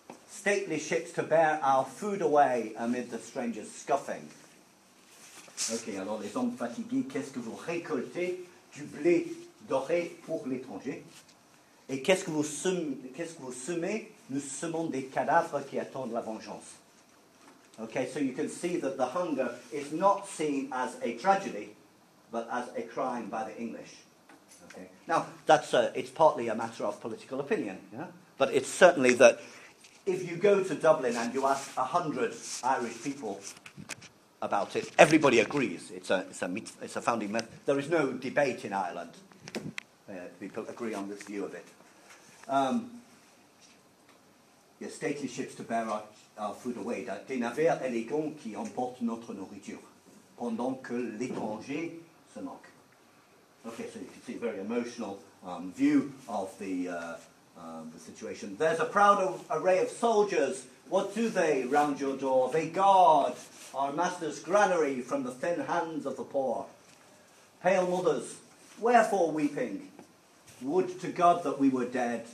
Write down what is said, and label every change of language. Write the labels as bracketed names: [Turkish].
[English] Stately ships to bear our food away amid the stranger's scuffing. [French] Okay, alors les hommes fatigués, qu'est-ce que vous récoltez du blé doré pour l'étranger? Et qu'est-ce que vous semez? Nous semons des cadavres qui attendent la vengeance. [English] Okay, so you can see that the hunger is not seen as a tragedy, but as a crime by the English. Okay, now, it's partly a matter of political opinion, yeah? But it's certainly that if you go to Dublin and you ask 100 Irish people about it, everybody agrees it's a founding myth. There is no debate in Ireland. People agree on this view of it. Stately ships to bear our food away. [French] Des navires élégants qui emportent notre nourriture pendant que l'étranger se moque. [English] Okay, so you can see a very emotional view of the situation. There's a proud array of soldiers. What do they round your door? They guard our master's granary from the thin hands of the poor. Pale mothers, wherefore weeping? Would to God that we were dead.